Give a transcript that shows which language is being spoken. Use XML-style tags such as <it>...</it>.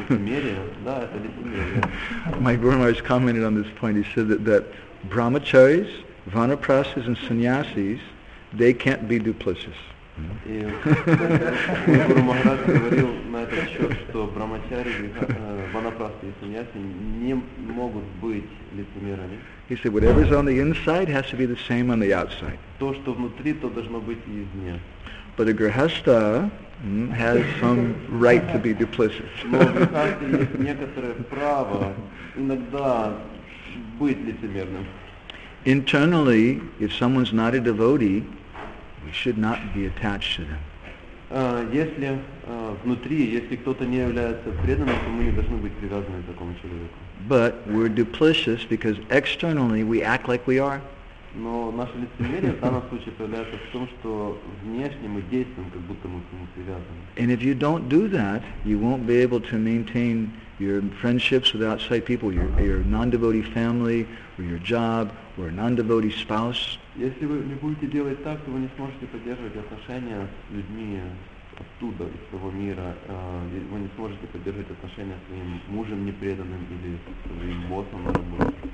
<en>My Guru Maharaj commented on this point. He said that brahmacharis, vanaprasas, and sannyasis, they can't be duplicitous.</en> <ru>Guru Maharaj говорил на этот счет, что брамачари, ванапрасы и саньяси не могут быть лицемерами.</ru> <en>He said, whatever is on the inside has to be the same on the outside.</en> <ru>То, что внутри, то должно быть извне.</ru> <en>But a grihastha has some right to be duplicitous.</en> <ru>Но грихастхи есть некоторое право иногда быть лицемерным.</ru> <en>Internally, if someone's not a devotee, we should not be attached to them.</en> <ru>Если внутри, если кто-то не является преданным, то мы не должны быть привязаны к такому человеку.</ru> <en>But we're duplicitous because externally we act like we are.</en> <ru>Но наше лицемерие в данном случае проявляется в том, что внешне мы действуем, как будто мы к нему привязаны.</ru> <en>And if you don't do that, you won't be able to maintain your friendships with outside people, your non-devotee family, or your job, or a non-devotee spouse.</en> <ru>Если вы не будете делать так, то вы не сможете поддерживать отношения с людьми оттуда, из того мира. Вы не сможете поддерживать отношения с своим мужем непреданным или с своим боссом на работе.</ru>